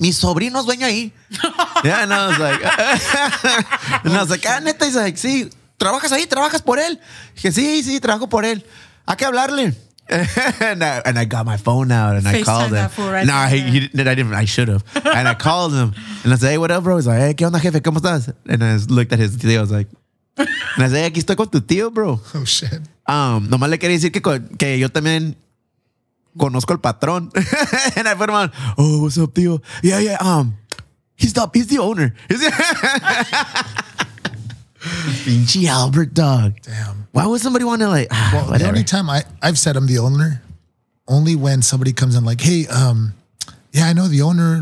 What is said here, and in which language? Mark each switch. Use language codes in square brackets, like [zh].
[es] Mis sobrinos ven ahí. [en] Yeah, and I was like, and I was like, ah, [es] neta, [en] he's like, [es] sí. ¿Trabajas ahí? ¿Trabajas por él? Dije, sí, trabajo por él. Hay que hablarle. [en] And I got my phone out and FaceTime I called him. I should have. And I called him and I said, hey, what up, bro? He's like, hey, [es] ¿qué onda, jefe? ¿Cómo estás? [en] And I looked at his tío. I was like, and I said, [es] aquí estoy con tu tío, [en] bro. Oh, shit. [es] Nomás le quería decir que yo también conozco el patrón. [en] And I put him on, oh, what's up, tío? Yeah, yeah. He's the owner. Pinche Albert, dog. Damn. Why would somebody want to like? Well, whatever. The only time I've said I'm the owner, only when somebody comes in like, hey, yeah, I know the owner.